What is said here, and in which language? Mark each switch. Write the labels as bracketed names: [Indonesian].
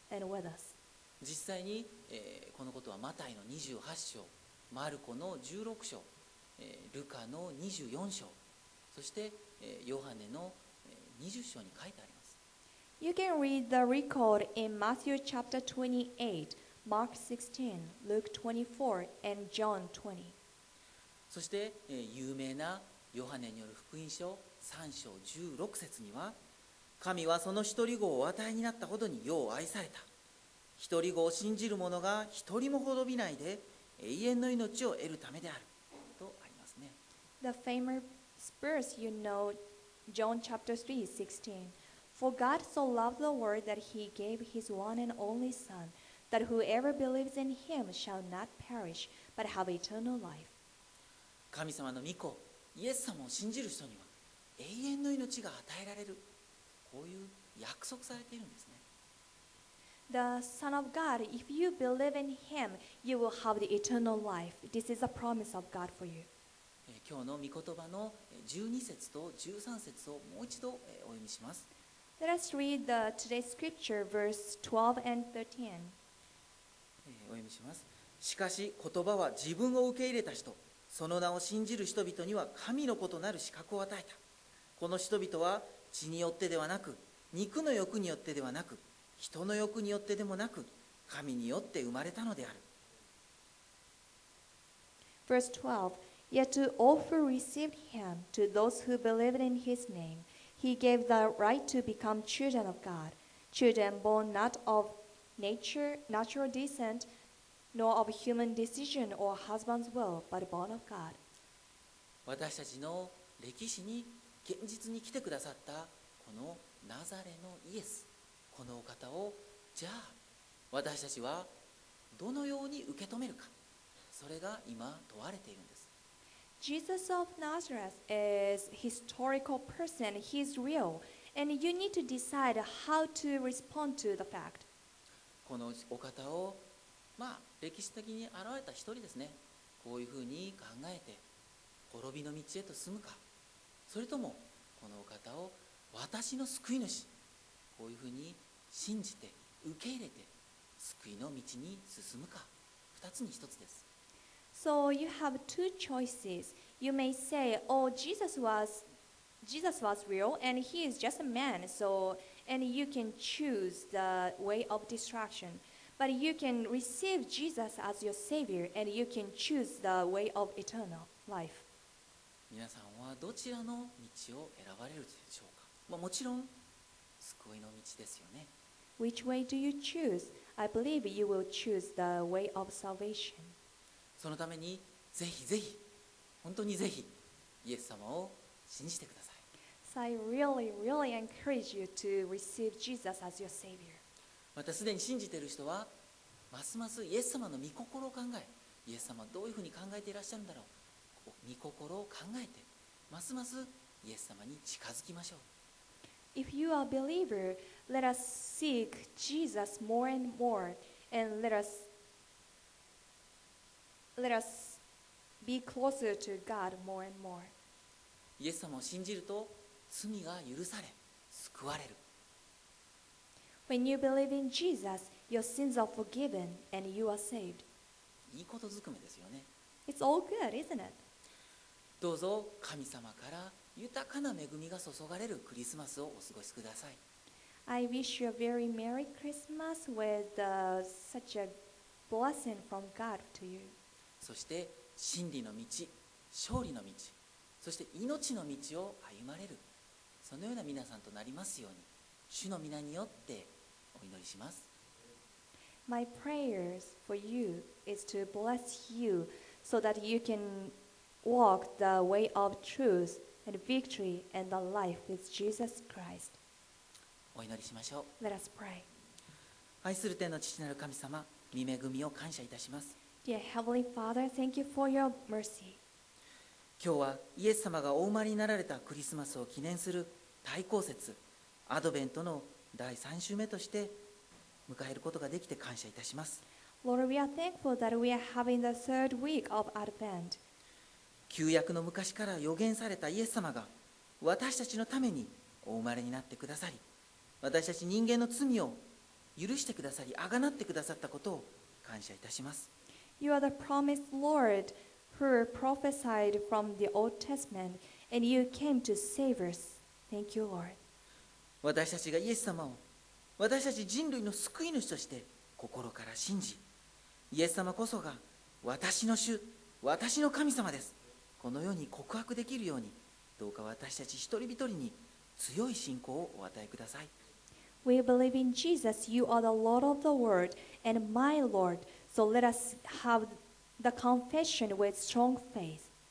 [English] And with us. [Japanese] 実際に、このことはマタイの28章、マルコの16章、ルカの24章、そして、ヨハネの、20章に書いてあります。 [English] You can read the record in Matthew chapter 28, Mark 16, Luke 24, and John 20. [Japanese] そして、有名なヨハネによる福音書3章16節には、神はその一人子をお与えになったほどによう愛された、一人子を信じる者が一人も滅びないで永遠の命を得るためであるとありますね。 [English] The famous verse you know, John chapter 3:16. For God so loved the world that he gave his one and only son, that whoever believes in him shall not perish, but have eternal life. [Japanese] 神様の御子、イエス様を信じる人には永遠の命が与えられる、こういう約束されているんですね。 [English] The Son of God, if you believe in Him, you will have the eternal life. This is a promise of God for you. [Japanese] 今日の御言葉の12節と13節をもう一度お読みします。 [English] Let us read the today's scripture, verse 12 and 13. [Japanese] お読みします。しかし言葉は自分を受け入れた人、その名を信じる人々には神の子となる資格を与えた。この人々は血によってではなく、肉の欲によってではなく、人の欲によってでもなく、神によって生まれたのである。 [English] Verse 12. Yet to all who received him, to those who believed in his name, he gave the right to become children of God, children born not of natural descent, nor of human decision or husband's will, but born of God. [Japanese] 私たちの歴史に現実に来てくださったこのナザレのイエス、このお方を、じゃあ私たちはどのように受け止めるか、それが今問われているんです。 [English] Jesus of Nazareth is a historical person. He's real. And you need to decide how to respond to the fact. [Japanese] このお方を、まあ、歴史的に現れた一人ですね。こういうふうに考えて滅びの道へと進むか、それともこのお方を私の救い主、こういうふうに信じて受け入れて救いの道に進むか、二つに一つです。 [English] So you have two choices. You may say, oh, Jesus was real and he is just a man. So, and you can choose the way of destruction. But you can receive Jesus as your savior and you can choose the way of eternal life. [Japanese] 皆さんはどちらの道を選ばれるでしょうか？まあ、もちろん救いの道ですよね。 [English] Which way do you choose? I believe you will choose the way of salvation. [Japanese] そのためにぜひぜひ、本当にぜひイエス様を信じてください。 [English] So I really, really encourage you to receive Jesus as your Savior. [Japanese] またすでに信じている人はますますイエス様の御心を考え、イエス様どういうふうに考えていらっしゃるんだろう、御心を考えてますますイエス様に近づきましょう。 [English] If you are a believer, let us seek Jesus more and more and let us be closer to God more and more. [Japanese] イエス様を信じると罪が許され救われる。 [English] When you believe in Jesus, your sins are forgiven and you are saved. [Japanese] いいことずくめですよね。 [English] It's all good, isn't it? [Japanese] どうぞ神様から豊かな恵みが注がれるクリスマスをお過ごしください。 [English] I wish you a very merry Christmas with such a blessing from God to you. [Japanese] そして真理の道、勝利の道、そして命の道を歩まれる、そのような皆さんとなりますように、主の御名によってお祈りします。 [English] My prayers for you is to bless you so that you can walk the way of truth and victory and the life with Jesus Christ. [Japanese] お祈りしましょう。 [English] Let us pray. [Japanese] 愛する天の父なる神様、御恵みを感謝いたします。 [English] Dear Heavenly Father, thank you for your mercy. [Japanese] 今日はイエス様がお生まれになられたクリスマスを記念する大光節、アドベントの第3週目として迎えることができて感謝いたします。 [English] Lord, we are thankful that we are having the third week of Advent. [Japanese] 旧約の昔から予言されたイエス様が私たちのためにお生まれになってくださり、私たち人間の罪を許してくださり、あがなってくださったことを感謝いたします。 [English] You are the promised Lord who prophesied from the Old Testament and you came to save us. Thank you, Lord. [Japanese] 私たちがイエス様を私たち人類の救い主として心から信じ、イエス様こそが私の主、私の神様です。このように告白できるように、どうか私たち一人一人に強い信仰をお与えください。 [English] We believe in Jesus. You are the Lord of the world and my Lord. So let us have the confession with strong faith.